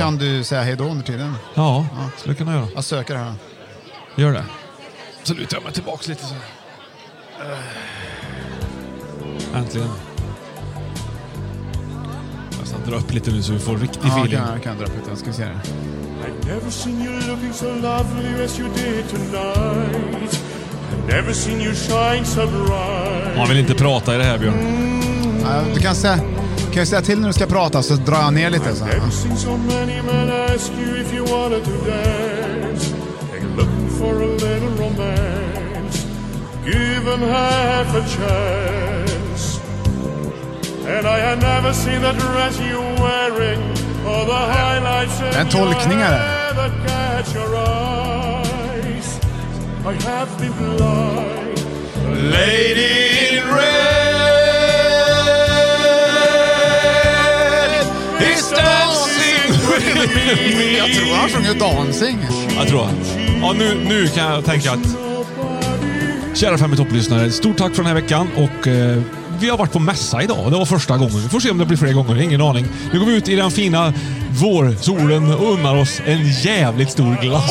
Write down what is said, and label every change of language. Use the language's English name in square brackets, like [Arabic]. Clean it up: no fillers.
[Swedish] Kan du säga hej då under tiden? Ja, så kan jag göra. Jag söker här. Gör det. Så lutar jag mig tillbaka lite så. Äntligen. Jag ska dra upp lite nu så vi får riktig feeling. Ja, jag kan dra upp lite. Jag ska se det. [English] I never seen you looking so lovely as you did tonight. I never seen you shine so bright. [Swedish] Man vill inte prata i det här, Björn. Du kan säga, till när du ska prata så drar jag ner lite så. [English] I've never seen so many men ask you if you wanted to dance. For a little romance, give them half a chance. And I had never seen the dress you're wearing, or the highlights in your hair that catch your eyes. I have been blind, lady in red. He's dancing with me. I think I'm dancing. I think. [Swedish] Ja, nu kan jag tänka att kära fem i topplyssnare, stort tack för den här veckan. Och vi har varit på mässa idag. Det var första gången. Vi får se om det blir fler gånger. Ingen aning. Nu går vi ut i den fina vårsolen och unnar oss en jävligt stor glass.